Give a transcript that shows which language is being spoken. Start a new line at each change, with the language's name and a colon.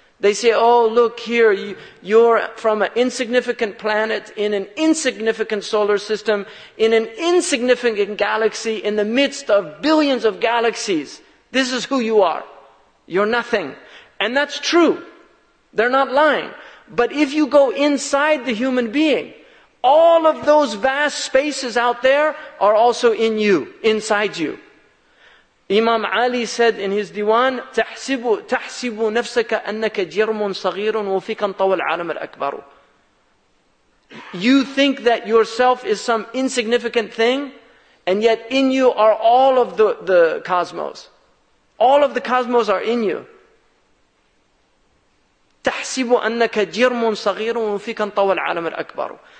English: They say, oh, look here, you're from an insignificant planet in an insignificant solar system, in an insignificant galaxy, in the midst of billions of galaxies. This is who you are. You're nothing. And that's true. They're not lying. But if you go inside the human being, all of those vast spaces out there are also in you, inside you. Imam Ali said in his Diwan,
Arabic: تَحْسِبُ نَفْسَكَ أَنَّكَ جِرْمٌ صَغِيرٌ وَفِيكَ طَوَى الْعَالَمَ الْأَكْبَرُ.
English: You think that yourself is some insignificant thing, and yet in you are all of the cosmos. All of the cosmos are in you.
Arabic: تَحْسِبُ أَنَّكَ جِرْمٌ صَغِيرٌ وَفِيكَ طَوَى الْعَالَمَ الْأَكْبَرُ.